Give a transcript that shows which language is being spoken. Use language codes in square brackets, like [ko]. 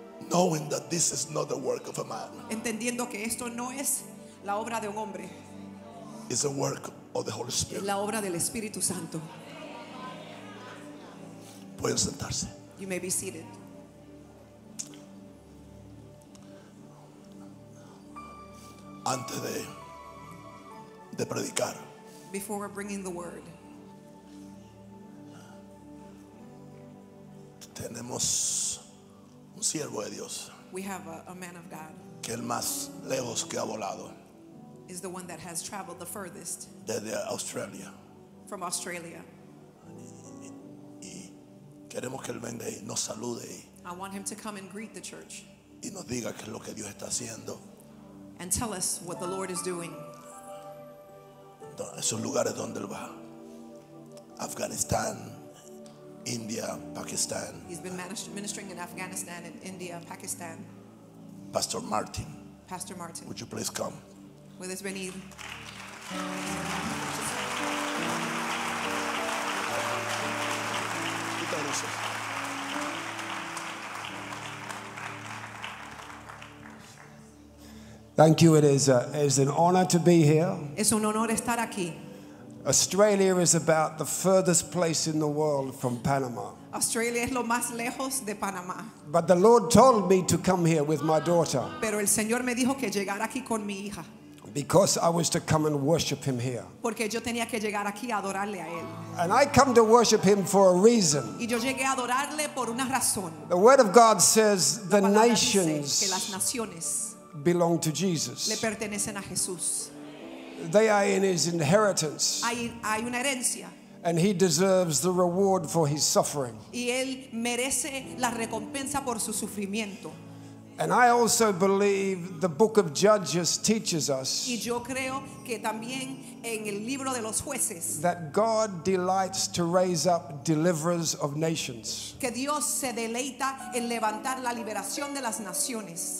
[en] Knowing that this is not the work of a man. [es] Entendiendo que esto no es la obra de un hombre. [en] It's a work of the Holy Spirit. [es] La obra del Espíritu Santo. Pueden sentarse. [en] You may be seated. [es] Antes de predicar. [en] Before bringing the word. [es] Tenemos un siervo de Dios. [en] We have a man of God. [es] Que el más lejos que ha volado. [en] Is the one that has traveled the furthest. [es] Desde Australia. [en] From Australia. [es] Y queremos que él venga y nos salude. [en] I want him to come and greet the church. [es] Y nos diga qué es lo que Dios está haciendo. [en] And tell us what the Lord is doing. [es] Esos lugares donde él va. Afghanistan, India, Pakistan. [en] He's been ministering in Afghanistan and India, Pakistan. Pastor Martin. Pastor Martin. Would you please come? With us, venir. Thank you. It is an honor to be here. [es] Es un honor estar aquí. [en] Australia is about the furthest place in the world from Panama. [es] Australia es lo más lejos de Panamá. [en] But the Lord told me to come here with my daughter. [es] Pero el Señor me dijo que llegara aquí con mi hija. [en] Because I was to come and worship him here. [es] Porque yo tenía que llegar aquí a adorarle a él. [en] And I come to worship him for a reason. [es] Y yo llegué a adorarle por una razón. [en] The word of God says the nations. [es] Que las naciones [en] belong to Jesus. [es] Le pertenecen a Jesús. [en] They are in his inheritance. [es] Hay una herencia. [en] And he deserves the reward for his suffering. [es] Y él merece la recompensa por su sufrimiento. [en] And I also believe the book of Judges teaches us. [es] Y yo creo que también en el libro de los jueces. [en] That God delights to raise up deliverers of nations. [es] Que Dios se deleita en levantar la liberación de las naciones.